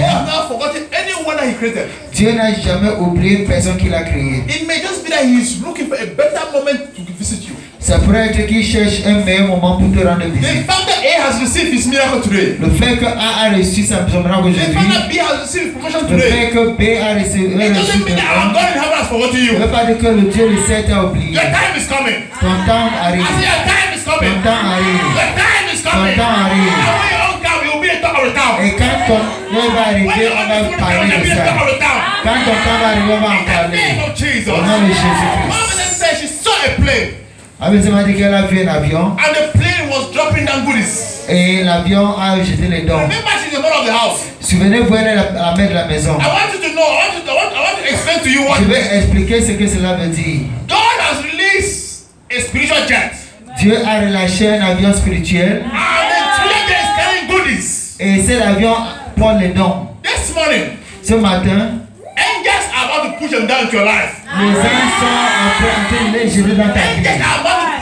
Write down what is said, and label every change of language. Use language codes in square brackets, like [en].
[en] God has not forgotten anyone that he created. [fr] Dieu n'a jamais oublié personne qu'il a créé. [en] It may just be that he is looking for a better moment to visit you. [fr] Ça pourrait être qu'il cherche un meilleur moment pour te rendre visite. [en] The fact that A has received his miracle today. [fr] Le fait que A a reçu sa miracle aujourd'hui. [en] The fact that B has received promotion today. [fr] Le fait que B a reçu. [en] It doesn't mean that our God in heaven has forgotten you. [fr] Le fait de que le Dieu le sait t'a oublié. [en] Your time is coming. [fr] Ton temps arrive. [en] I say your time is coming. [fr] Ton temps arrive. [en] Your time is coming. [fr] Ton temps arrive. [en] When your own God will be a talk of the town. [fr] Et quand ton temps va arriver, on va en parler de ça. Quand ton temps va arriver, on va en parler. [en] In the name of Jesus. [fr] Au nom de Jésus Christ. [en] Mama then said she saw a plane. [fr] Elle m'a dit qu'elle a vu un avion. [en] And the plane was dropping down goodies. [fr] Et l'avion a jeté les dons. [en] Remember, she's the mother of the house. [fr] Souvenez-vous, elle est la mère de la maison. [en] I want you to know. I want to explain to you what. [fr] Je vais expliquer ce que cela veut dire. [en] God has released a spiritual jet. [fr] Dieu a relâché un avion spirituel. [en] And the plane is carrying goodies. [fr] Et cet avion porte les dons. [en] This morning. [fr] Ce matin. [en] Angels are about to push them down to your life. [fr] Les anges sont en train de les jeter dans ta vie.